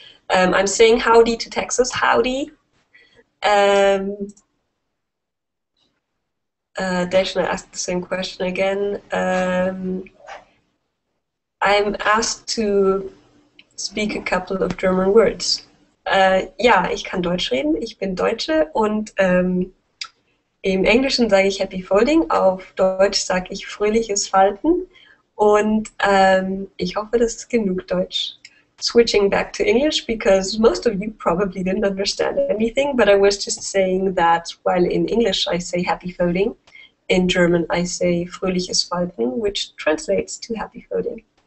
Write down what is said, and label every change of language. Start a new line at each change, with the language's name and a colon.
English: I'm saying howdy to Texas, howdy. Deshna asked the same question again. I'm asked to speak a couple of German words.
German: Ja, ich kann Deutsch reden, ich bin Deutsche und im Englischen sage ich
English: Happy Folding,
German: auf Deutsch sage ich fröhliches Falten und ich hoffe, das ist genug Deutsch.
English: Switching back to English, because most of you probably didn't understand anything, but I was just saying that while in English I say Happy Folding, in German I say
German: fröhliches Falten,
English: which translates to Happy Folding.